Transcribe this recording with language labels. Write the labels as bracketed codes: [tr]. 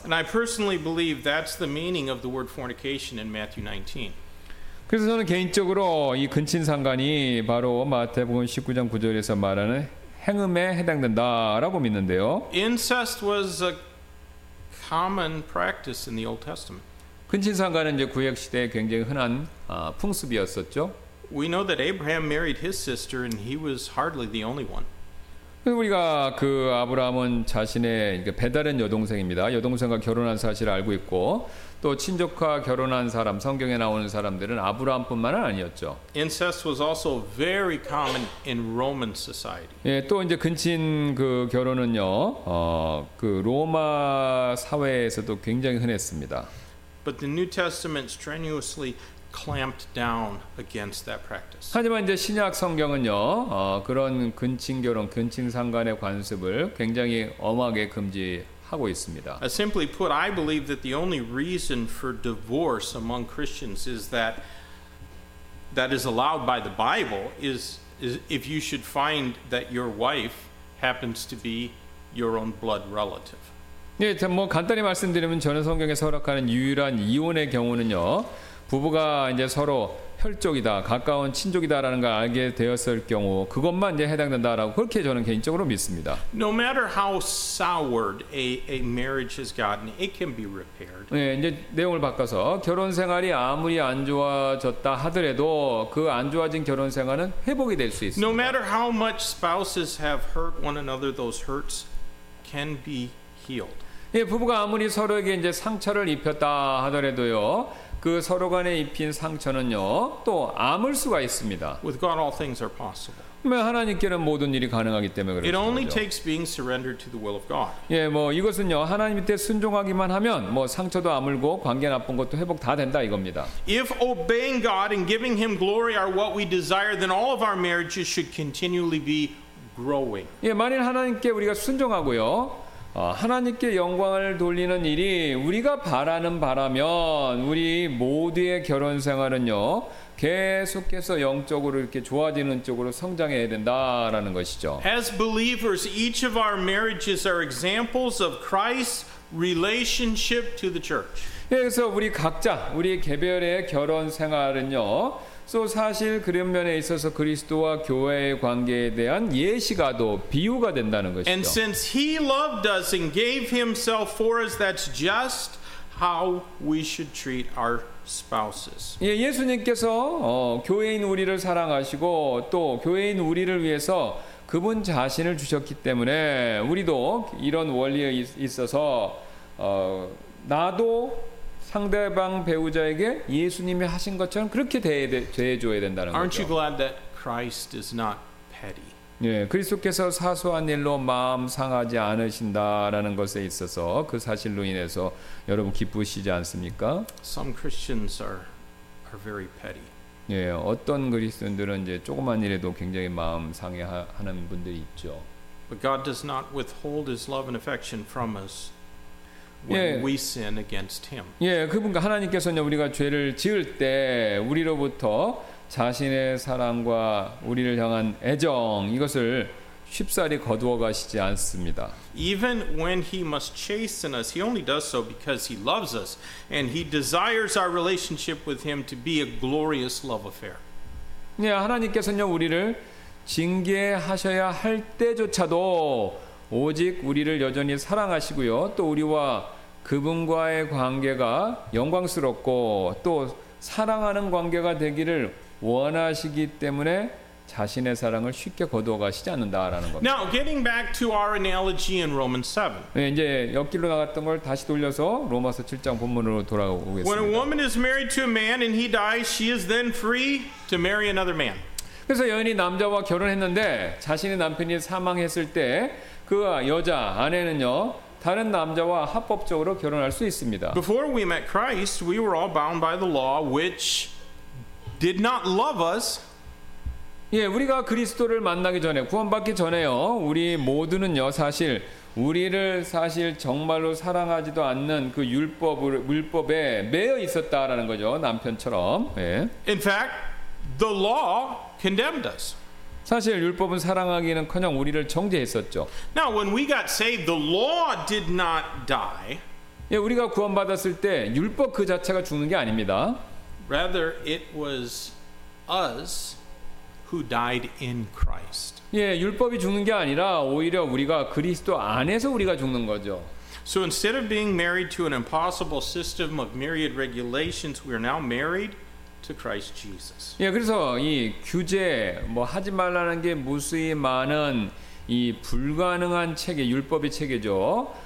[en] And I personally believe that's the meaning of the word fornication in Matthew 19. [ko] 그래서 저는 개인적으로 이 근친상간이 바로 마태복음 19장 9절에서 말하는 행음에 해당된다라고 믿는데요. [en] Incest was a common practice in the Old Testament. [ko] 근친상간은 이제 구약 시대에 굉장히 흔한 풍습이었었죠. [en] We know that Abraham married his sister, and he was hardly the only one. [ko] 우리가 그 아브라함은 자신의 배다른 여동생입니다. 여동생과 결혼한 사실을 알고 있고 또 친족과 결혼한 사람 성경에 나오는 사람들은 아브라함뿐만은 아니었죠. [en] Incest was also very common in Roman society. [ko] 예, 또 이제 근친 그 결혼은요, 그 로마 사회에서도 굉장히 흔했습니다. [en] But the New Testament strenuously clamped down against that practice. [ko] 하지만 이제 신약 성경은요, 그런 근친 결혼, 근친 상간의 관습을 굉장히 엄하게 금지하고 있습니다. [en] Simply put, I believe that the only reason for divorce among Christians is that that is allowed by the Bible is if you should find that your wife happens to be your own blood relative. [ko] 네, 예, 뭐 간단히 말씀드리면 저는 성경에서 허락하는 유일한 이혼의 경우는요. 부부가 이제 서로 혈족이다, 가까운 친족이다라는 걸 알게 되었을 경우 그것만 이제 해당된다라고 그렇게 저는 개인적으로 믿습니다. [en] No matter how soured a marriage has gotten, it can be repaired. [ko] 네, 이제 내용을 바꿔서 결혼 생활이 아무리 안 좋아졌다 하더라도 그 안 좋아진 결혼 생활은 회복이 될 수 있습니다. [en] No matter how much spouses have hurt one another, those hurts can be healed. [ko] 예, 부부가 아무리 서로에게 이제 상처를 입혔다 하더라도요. 그 서로 간에 입힌 상처는요, 또 아물 수가 있습니다. [en] With God, all things are possible. [ko] 하나님께는 모든 일이 가능하기 때문에 그렇죠. [en] It only takes being surrendered to the will of God. [ko] 예, 뭐 이것은요, 하나님께 순종하기만 하면 뭐 상처도 아물고 관계 나쁜 것도 회복 다 된다 이겁니다. [en] If obeying God and giving Him glory are what we desire, then all of our marriages should continually be growing. [ko] 예, 만일 하나님께 우리가 순종하고요. 하나님께 영광을 돌리는 일이 우리가 바라는 바라면 우리 모두의 결혼 생활은요 계속해서 영적으로 이렇게 좋아지는 쪽으로 성장해야 된다라는 것이죠. [en] As believers, each of our marriages are examples of Christ's relationship to the church. [ko] 그래서 우리 각자 우리 개별의 결혼 생활은요. 또 사실 그런 면에 있어서 그리스도와 교회의 관계에 대한 예시가 또 비유가 된다는 것이죠. [en] And since He loved us and gave Himself for us, that's just how we should treat our spouses. [ko] 예, 예수님께서 교회인 우리를 사랑하시고 또 교회인 우리를 위해서 그분 자신을 주셨기 때문에 우리도 이런 원리에 있어서 나도 상대방 배우자에게 예수님이 하신 것처럼 그렇게 대해줘야 된다는 [en] Aren't [ko] 거죠. [en] Aren't you glad that Christ is not petty? [ko] 예, 그리스도께서 사소한 일로 마음 상하지 않으신다라는 것에 있어서 그 사실로 인해서 여러분 기쁘시지 않습니까? [en] Some Christians are very petty. [ko] 예, 어떤 그리스도인들은 이제 조그만 일에도 굉장히 마음 상해하는 분들이 있죠. [en] But God does not withhold His love and affection from us. When we sin against Him. [ko] 예, 그분과 하나님께서는 우리가 죄를 지을 때 우리로부터 자신의 사랑과 우리를 향한 애정 이것을 쉽사리 거두어 가시지 않습니다. [en] Even when He must chasten us, He only does so because He loves us and He desires our relationship with Him to be a glorious love affair. [ko] 예, 하나님께서는 우리를 징계하셔야 할 때조차도 오직 우리를 여전히 사랑하시고요. 또 우리와 그분과의 관계가 영광스럽고 또 사랑하는 관계가 되기를 원하시기 때문에 자신의 사랑을 쉽게 거두어 가시지 않는다라는 겁니다. [en] Now, getting back to our analogy in Romans 7. [ko] 네, 이제 옆길로 나갔던 걸 다시 돌려서 로마서 7장 본문으로 돌아오겠습니다. [en] When a woman is married to a man and he dies, she is then free to marry another man. [ko] 그래서 여인이 남자와 결혼했는데 자신의 남편이 사망했을 때 그 여자 아내는요 다른 남자와 합법적으로 결혼할 수 있습니다. [en] Before we met Christ, we were all bound by the law which did not love us. [ko] 예, 우리가 그리스도를 만나기 전에 구원받기 전에요. 우리 모두는요, 사실 우리를 사실 정말로 사랑하지도 않는 그 율법을 율법에 매여 있었다라는 거죠. 남편처럼. 예. [en] In fact, the law condemned us. [ko] 사실 율법은 사랑하기는커녕 우리를 정죄했었죠. [en] Now when we got saved, the law did not die. [ko] 예, 우리가 구원받았을 때 율법 그 자체가 죽는 게 아닙니다. [en] Rather it was us who died in Christ. [ko] 예, 율법이 죽는 게 아니라 오히려 우리가 그리스도 안에서 우리가 죽는 거죠. [en] So instead of being married to an impossible system of myriad regulations, we are now married to Christ Jesus. [ko] 예, 그래서 이 규제 뭐 하지 말라는 게 무수히 많은 이 불가능한 체계, 율법의 체계죠.